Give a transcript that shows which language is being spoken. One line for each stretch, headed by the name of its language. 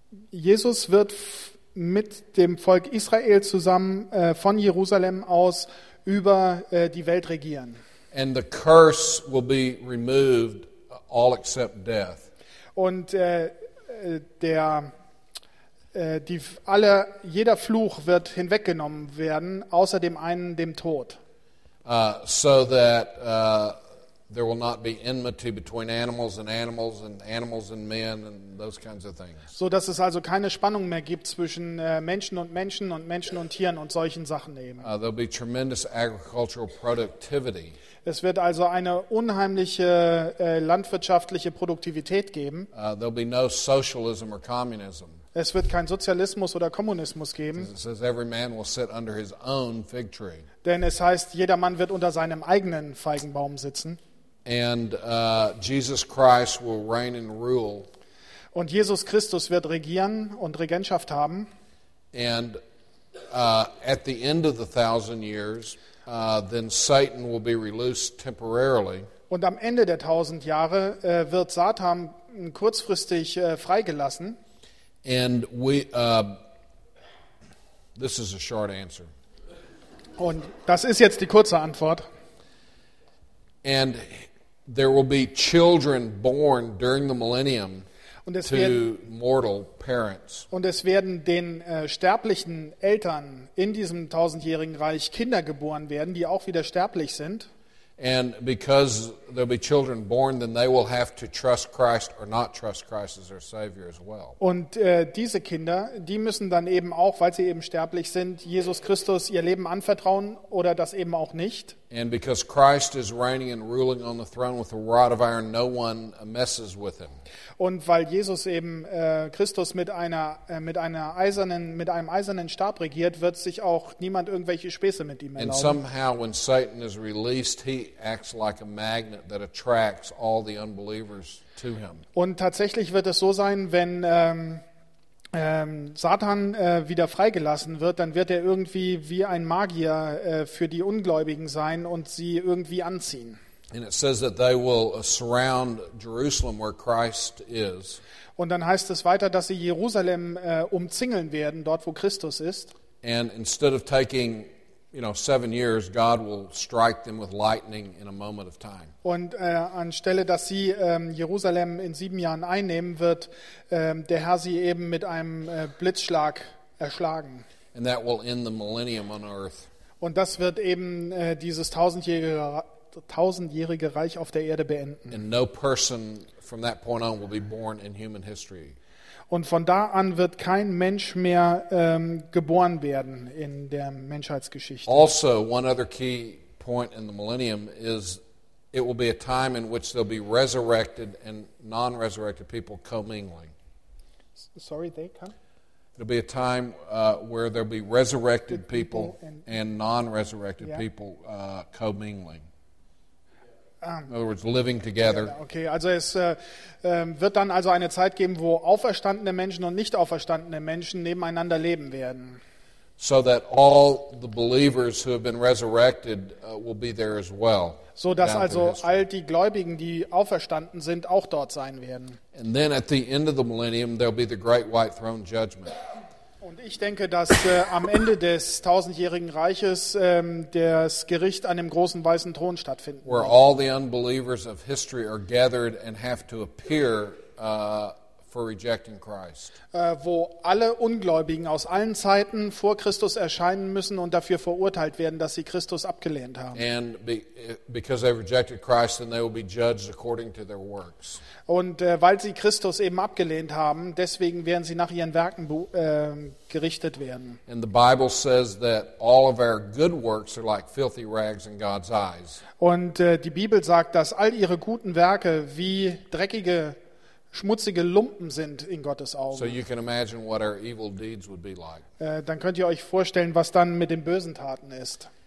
German: Jesus wird mit dem Volk Israel zusammen von Jerusalem aus über die Welt regieren.
English: And the curse will be removed, all except death.
German: Und jeder Fluch wird hinweggenommen werden, außer dem einen, dem Tod.
English: So that there will not be enmity between animals and animals and animals and men and those kinds of things.
German: So dass es also keine Spannung mehr gibt zwischen Menschen und Menschen und Menschen und Tieren und solchen Sachen eben.
English: There'll be tremendous agricultural productivity.
German: Es wird also eine unheimliche landwirtschaftliche Produktivität geben.
English: There'll be no socialism or communism.
German: Es wird kein Sozialismus oder Kommunismus geben.
English: It says every man will sit under his own fig tree.
German: Denn es heißt, jeder Mann wird unter seinem eigenen Feigenbaum sitzen.
English: And Jesus Christ will reign and rule.
German: Und Jesus Christus wird regieren und Regentschaft haben.
English: And at the end of the 1,000 years, then Satan will be released temporarily.
German: Und am Ende der 1,000 Jahre wird Satan kurzfristig freigelassen.
English: And this is a short answer.
German: Und das ist jetzt die kurze Antwort.
English: And there will be children born during the millennium to mortal parents.
German: Und es werden den sterblichen Eltern in diesem tausendjährigen Reich Kinder geboren werden, die auch wieder sterblich sind.
English: And because there'll be children born, then they will have to trust Christ or not trust Christ as their Savior as well.
German: Und diese Kinder, die müssen dann eben auch, weil sie eben sterblich sind, Jesus Christus ihr Leben anvertrauen oder das eben auch nicht.
English: And because Christ is reigning and ruling on the throne with a rod of iron, no one messes with him.
German: Und weil Jesus eben Christus mit einem eisernen Stab regiert, wird sich auch niemand irgendwelche Späße mit ihm erlauben.
English: And somehow when Satan is released, he acts like a magnet that attracts all the unbelievers to him.
German: Und tatsächlich wird es so sein, wenn Satan wieder freigelassen wird, dann wird er irgendwie wie ein Magier für die Ungläubigen sein und sie irgendwie anziehen.
English: And it says that they will surround Jerusalem where Christ is.
German: Und dann heißt es weiter, dass sie Jerusalem umzingeln werden, dort wo Christus ist.
English: And instead of taking, you know, 7 years, God will strike them with lightning in a moment of time.
German: Und anstelle, dass sie Jerusalem in 7 Jahren einnehmen, wird der Herr sie eben mit einem Blitzschlag erschlagen.
English: And that will end the millennium on earth.
German: Und das wird eben dieses tausendjährige Reich auf der Erde beenden.
English: And no person from that point on will be born in human history.
German: Und von da an wird kein Mensch mehr geboren werden in der Menschheitsgeschichte.
English: Also, one other key point in the millennium is it will be a time in which there'll be resurrected and non-resurrected people commingling. Sorry, they come? It'll be a time where there'll be resurrected people and non-resurrected people commingling. In other words, living together.
German: Okay, also es wird dann also eine Zeit geben, wo auferstandene Menschen und nicht auferstandene Menschen nebeneinander leben werden.
English: So that all the believers who have been resurrected will be there as well.
German: So dass also all die Gläubigen, die auferstanden sind, auch dort sein werden.
English: And then at the end of the millennium, there'll be the great white throne judgment.
German: Und ich denke, dass am Ende des tausendjährigen Reiches das Gericht an dem großen weißen Thron stattfinden wird.
English: Where all the unbelievers of history are gathered and have to appear for rejecting Christ.
German: Wo alle Ungläubigen aus allen Zeiten vor Christus erscheinen müssen und dafür verurteilt werden, dass sie Christus abgelehnt haben.
English: And because they rejected Christ, then they will be judged according to their works.
German: Und weil sie Christus eben abgelehnt haben, deswegen werden sie nach ihren Werken gerichtet werden.
English: And the Bible says that all of our good works are like filthy rags in God's eyes.
German: Und die Bibel sagt, dass all ihre guten Werke wie dreckige, schmutzige Lumpen sind in Gottes Augen.
English: So you can imagine what our evil deeds would be like.
German: Dann könnt ihr euch vorstellen, was dann mit den bösen Taten ist.